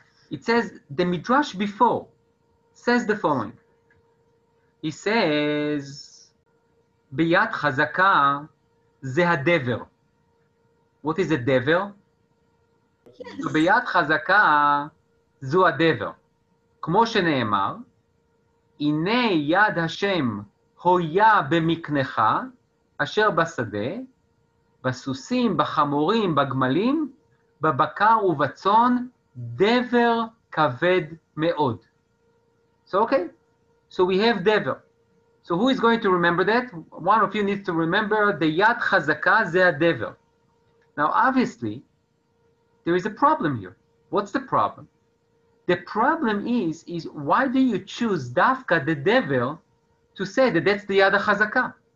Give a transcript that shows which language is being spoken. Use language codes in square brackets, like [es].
[en] It says the midrash before says the following. He says, [he] "Biyat chazaka ze hadever." [en] What is a dever? Yes. [he] Biyat chazaka זו הדבר. כמו שנאמר, הנה יד השם הויה במקנך, אשר בשדה, בסוסים, בחמורים, בגמלים, בבקר ובצון, דבר כבד מאוד. [en] So okay, so we have דבר. So who is going to remember that? One of you needs to remember the [he] יד חזקה זה הדבר. [en] Now obviously, there is a problem here. What's the problem? The problem is why do you choose Dafka, the devil, to say that that's the Yad HaChazakah?